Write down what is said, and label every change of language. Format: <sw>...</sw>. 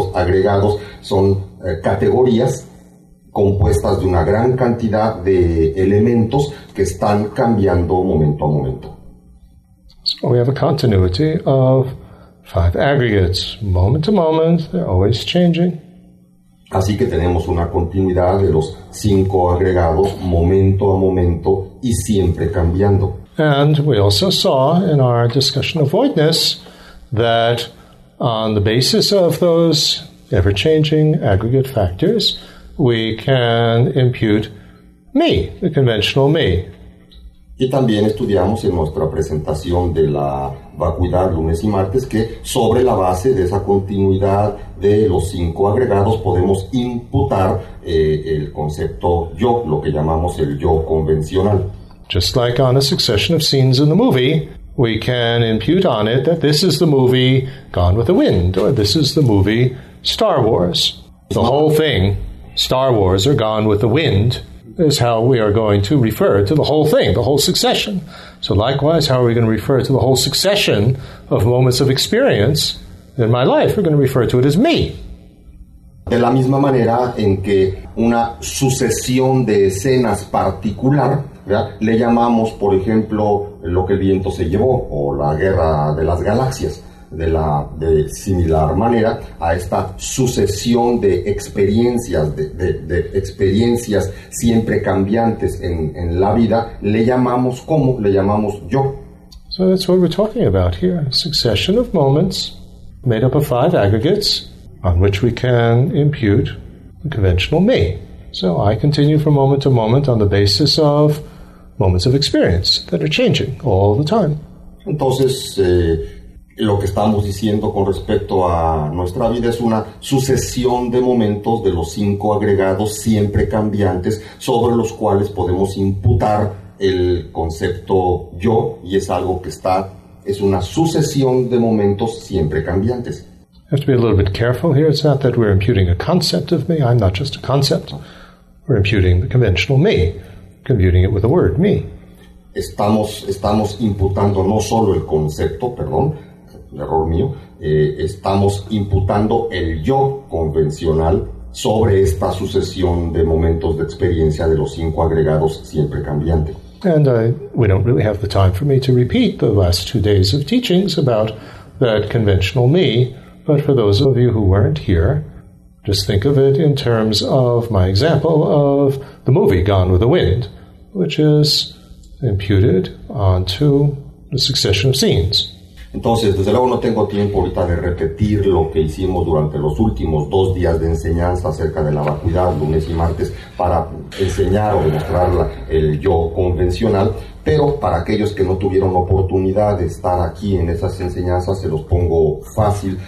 <es>Los agregados son categorías compuestas de una gran cantidad de elementos que están cambiando momento a momento.</es> <en>So we have a continuity of five aggregates, moment to moment, they're always changing.</en> <es>Así que tenemos una continuidad de los cinco agregados, momento a momento y siempre cambiando.</es> <en>And we also saw in our discussion of voidness that on the basis of those ever-changing aggregate factors, we can impute me, the conventional me.</en> <es>Y también estudiamos en nuestra presentación de la vacuidad lunes y martes que sobre la base de esa continuidad de los cinco agregados podemos imputar el concepto yo, lo que llamamos el yo convencional.</es> <en>Just like on a succession of scenes in the movie, we can impute on it that this is the movie Gone with the Wind, or this is the movie Star Wars. The whole thing, Star Wars or Gone with the Wind, is how we are going to refer to the whole thing, the whole succession. So likewise, how are we going to refer to the whole succession of moments of experience in my life? We're going to refer to it as me.</en> <es>De la misma manera en que una sucesión de escenas particular, ¿verdad?, le llamamos, por ejemplo, lo que el viento se llevó, o la guerra de las galaxias, de similar manera a esta sucesión de experiencias, de experiencias siempre cambiantes en la vida, le llamamos ¿cómo? Le llamamos yo.</es> <en>So that's what we're talking about here, a succession of moments made up of five aggregates on which we can impute the conventional me. So I continue from moment to moment on the basis of moments of experience that are changing all the time.</en> <es>Entonces, lo que estamos diciendo con respecto a nuestra vida es una sucesión de momentos de los cinco agregados siempre cambiantes sobre los cuales podemos imputar el concepto yo, y es algo que está, es una sucesión de momentos siempre cambiantes.</es> <en>I have to be a little bit careful here. It's not that we're imputing a concept of me. I'm not just a concept. We're imputing the conventional me, computing it with the word me.</en> <es>Estamos imputando no solo el concepto, perdón, error mío, estamos imputando el yo convencional sobre esta sucesión de momentos de experiencia de los cinco agregados siempre cambiante.</es> <en>And we don't really have the time for me to repeat the last 2 days of teachings about that conventional me. But for those of you who weren't here, just think of it in terms of my example of the movie Gone with the Wind, which is imputed onto a succession of scenes.</en> <es>Entonces, desde luego no tengo tiempo ahorita de repetir lo que hicimos durante los últimos 2 días de enseñanza acerca de la vacuidad, lunes y martes, para enseñar o demostrar el yo convencional. Pero para aquellos que no tuvieron oportunidad de estar aquí en esas enseñanzas, se los pongo fácil.</es>